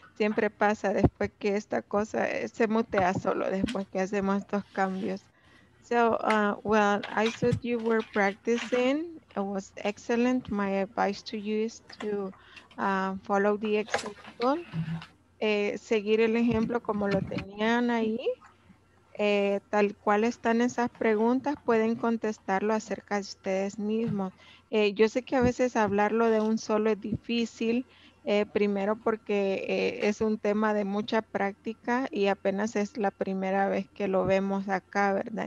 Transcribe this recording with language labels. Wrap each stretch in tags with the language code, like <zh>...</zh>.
<es>Siempre pasa después que esta cosa se mutea solo después que hacemos estos cambios.</es> <en>So, I thought you were practicing. It was excellent. My advice to you is to follow the example.</en> <es>Seguir el ejemplo como lo tenían ahí. Tal cual están esas preguntas, pueden contestarlo acerca de ustedes mismos. Yo sé que a veces hablarlo de un solo es difícil, primero porque es un tema de mucha práctica y apenas es la primera vez que lo vemos acá, ¿verdad?</es>